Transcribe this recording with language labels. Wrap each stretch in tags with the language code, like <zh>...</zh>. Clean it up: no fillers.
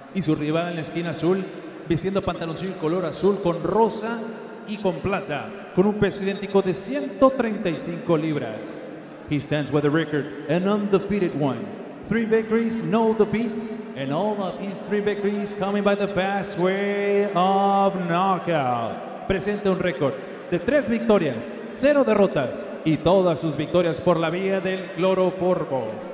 <es>Y su rival en la esquina azul, vistiendo pantaloncillo color azul con rosa y con plata, con un peso idéntico de 135 libras.</es> <en>He stands with a record, an undefeated one. 3 victories, no defeats, and all of his 3 victories coming by the fast way of knockout.</en> <es>Presenta un récord de 3 victorias, 0 derrotas, y todas sus victorias por la vía del cloroformo.</es>